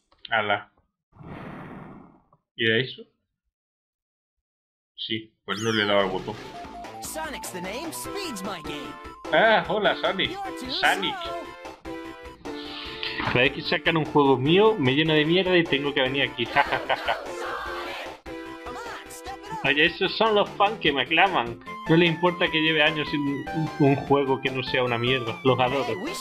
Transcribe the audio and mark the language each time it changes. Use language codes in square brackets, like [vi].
[es] Ala. ¿Y era eso? Sí, pues no le he dado al botón. [en] Sonic's the name, speed's my game. [es] Ah, hola, Sonic. Sonic. Cada vez que sacan un juego mío, me lleno de mierda y tengo que venir aquí. Ja, ja, ja, ja. Oye, esos son los fans que me aclaman. No les importa que lleve años sin un juego que no sea una mierda. Los adoro.